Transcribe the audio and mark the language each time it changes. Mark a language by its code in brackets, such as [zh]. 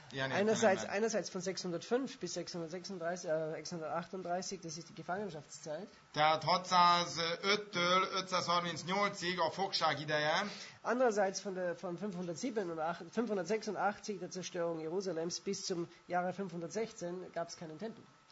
[de] Einerseits von 605 bis 638, das ist die Gefangenschaftszeit. [hu] Tehát 605-től 538-ig a fogság ideje. [de] Andererseits von 586 der Zerstörung Jerusalems bis zum Jahre 516 gab es keinen Tempel.